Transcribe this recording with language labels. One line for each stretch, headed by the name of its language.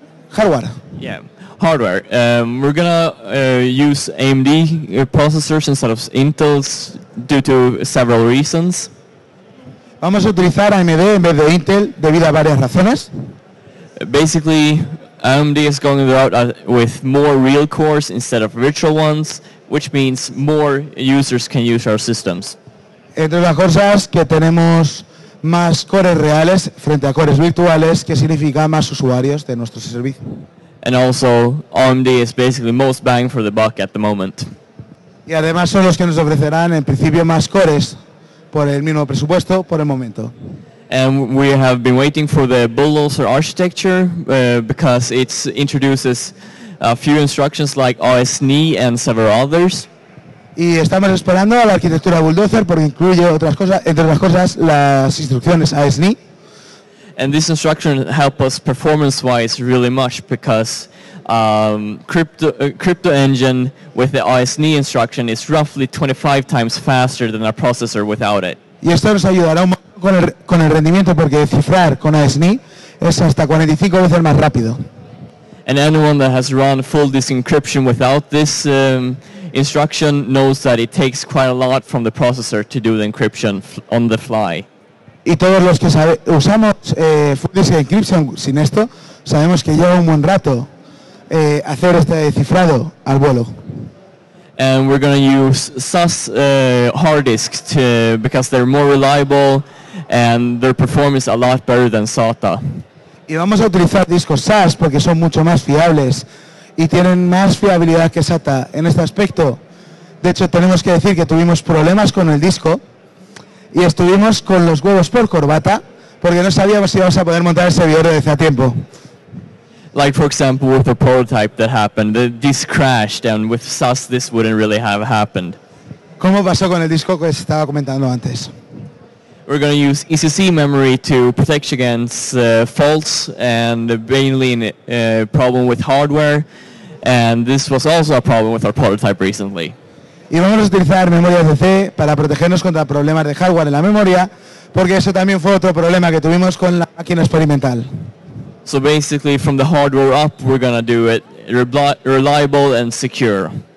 English: Hardware. Yeah. Hardware. We're gonna use AMD processors instead of Intel's due to several reasons.
Spanish: Vamos a utilizar AMD en vez de Intel debido a varias razones.
English: Basically, AMD is going about with more real cores instead of virtual ones, which means more users can use our systems.
Spanish: Entre las cosas que tenemos más cores reales frente a cores virtuales, que significa más usuarios de nuestro servicio.
English: And also, AMD is basically most bang for the buck at the moment.
Spanish: Y además son los que nos ofrecerán en principio más cores por el mismo presupuesto por el momento.
English: And we have been waiting for the Bulldozer architecture because it introduces a few instructions like OSNI and several others.
Spanish: Y estamos esperando a la arquitectura Bulldozer porque incluye otras cosas, entre otras cosas, las instrucciones OSNI.
English: And this instruction help us performance-wise really much because crypto engine with the OSNI instruction is roughly 25 times faster than our processor without it.
Spanish: Y esto nos ayudará con el rendimiento porque cifrar con OSNI es hasta 45 veces más rápido.
English: And anyone that has run full disencryption without this instruction knows that it takes quite a lot from the processor to do the encryption on the fly.
Spanish: Y todos los que usamos full disencryption sin esto, sabemos que lleva un buen rato hacer este cifrado al vuelo.
English: And we're going to use SAS hard disks because they're more reliable and their performance a lot better than SATA.
Spanish: Y vamos a utilizar discos SAS porque son mucho más fiables y tienen más fiabilidad que SATA en este aspecto. De hecho, tenemos que decir que tuvimos problemas con el disco y estuvimos con los huevos por corbata porque no sabíamos si íbamos a poder montar el servidor desde a tiempo.
English: Like for example with the prototype that happened, the disk crashed and with SAS this wouldn't really have happened.
Spanish: ¿Cómo pasó con el disco que estaba comentando antes?
English: We're going to use ECC memory to protect against faults and mainly a problem with hardware, and this was also a problem with our prototype recently.
Spanish: Y vamos a utilizar memoria CC para protegernos contra problemas de hardware en la memoria, porque eso también fue otro problema que tuvimos con la máquina experimental.
English: So basically, from the hardware up, we're going to do it reliable and secure.